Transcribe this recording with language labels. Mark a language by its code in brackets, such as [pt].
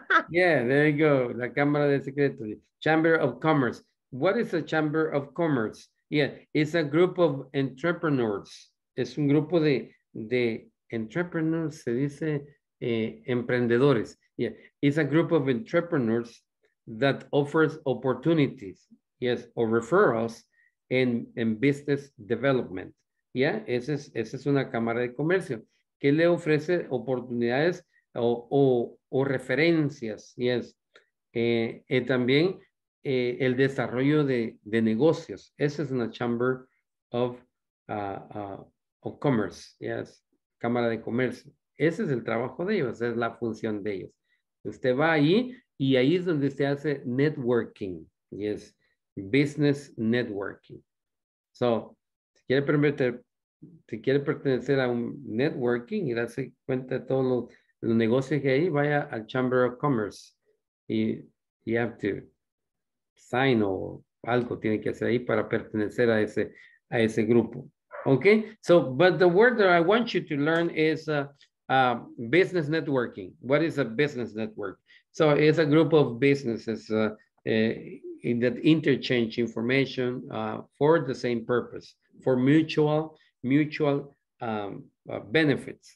[en] Yeah, there you go, [es] la Cámara de Secretos. [en] Chamber of Commerce. What is a Chamber of Commerce? Yeah, it's a group of entrepreneurs. [es] Es un grupo de entrepreneurs, se dice emprendedores. [en] Yeah, it's a group of entrepreneurs that offers opportunities, yes, or referrals in business development. [es] Yeah, esa es una cámara de comercio que le ofrece oportunidades o referencias, yes. También el desarrollo de negocios. Esa es una chamber of commerce, yes, cámara de comercio. Ese es el trabajo de ellos, es la función de ellos. Usted va ahí y ahí es donde usted hace networking, yes, business networking. So, si quiere pertenecer a un networking y darse cuenta de todos los negocios que hay, vaya al Chamber of Commerce y [en] you have to sign [es] o algo tiene que hacer ahí para pertenecer a ese grupo. [en] Okay, so, but the word that I want you to learn is business networking. What is a business network? So it's a group of businesses that interchange information for the same purpose, for mutual benefits.